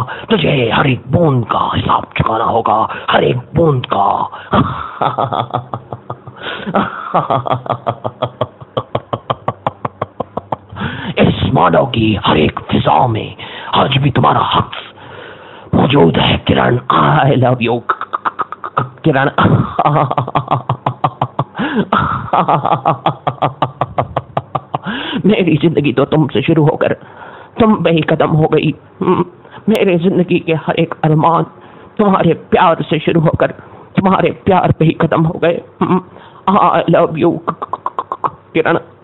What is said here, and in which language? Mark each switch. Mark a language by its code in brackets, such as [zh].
[hi] तुझे हर एक बूंद का हिसाब चुकाना होगा, हर एक बूंद का। इस मानव की हर एक फिजा में आज भी तुम्हारा हक मौजूद है किरण। [en] I love you, Kiran. [hi] मेरी जिंदगी तो तुमसे शुरू होकर तुम पे ही कदम हो गई। मेरे जिंदगी के हर एक अरमान तुम्हारे प्यार से शुरू होकर तुम्हारे प्यार पे ही खत्म हो गए। [en] I love you, Kiran.